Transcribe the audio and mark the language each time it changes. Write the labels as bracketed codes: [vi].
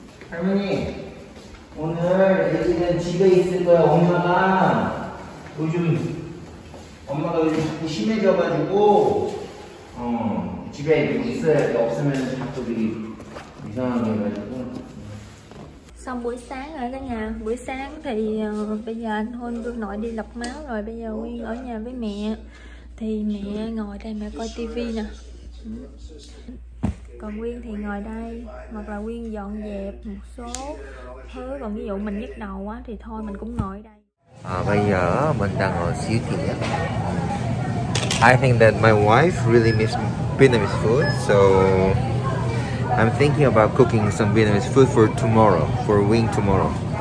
[ko] 할머니 오늘 애기는 집에 있을 거야. 엄마가 요즘 자꾸 심해져가지고 집에 있어야 돼. 없으면 자꾸 되게 이상하게 해가지고. [vi] Xong buổi sáng ở cả nhà. Buổi sáng thì bây giờ anh Huân đưa nội đi lọc máu rồi. Bây giờ Nguyên ở nhà với mẹ. Thì mẹ ngồi đây mẹ coi tivi nè. Còn Nguyên thì ngồi đây. Hoặc là Nguyên dọn dẹp một số thứ. Còn ví dụ mình nhức đầu quá thì thôi mình cũng ngồi đây. Bây giờ mình đang ngồi xíu thiện. [en] I think that my wife really miss Vietnamese food. So I'm thinking about cooking some Vietnamese food for tomorrow, for Wing tomorrow.